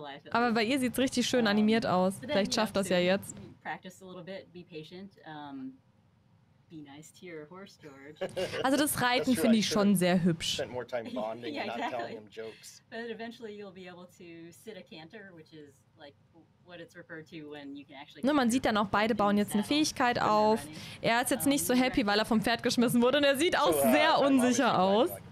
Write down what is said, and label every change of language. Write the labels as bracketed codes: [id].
[de] Aber bei ihr sieht's richtig schön animiert aus. Vielleicht schafft das ja jetzt. [en] Practice a little bit, be patient. be nice to your horse, George. [de] Also das Reiten finde ich schon sehr hübsch. [en] Spend more time bonding yeah, and not exactly. telling him jokes. But eventually you'll be able to sit a canter, which is like what it's referred to when you can actually... [de] Nur man sieht dann auch, beide bauen jetzt eine Fähigkeit auf. Er ist jetzt nicht so happy, weil er vom Pferd geschmissen wurde und er sieht auch sehr unsicher aus.